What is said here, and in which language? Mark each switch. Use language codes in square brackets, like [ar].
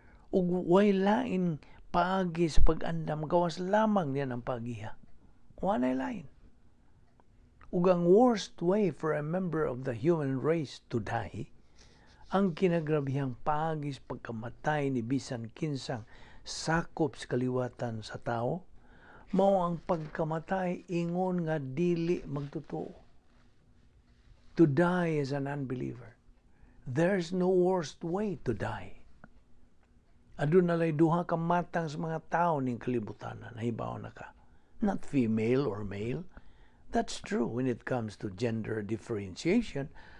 [ceb] Ug way lain paagi sa pag-andam, gawas lamang niya ng pagiha. One ay lain. Ug ang [en] worst way for a member of the human race to die, [ceb] ang kinagrabihang paagi sa pagkamatay ni bisan kinsang sakop sa kaliwatan sa tao, mao ang pagkamatay ingon nga dili magtotoo. [en] To die as an unbeliever, there's no worst way to die. [ceb] Aduna lay duha ka matang sa mga tao ning kalibutan, nahibaw na ka. [en] Not female or male. That's true when it comes to gender differentiation.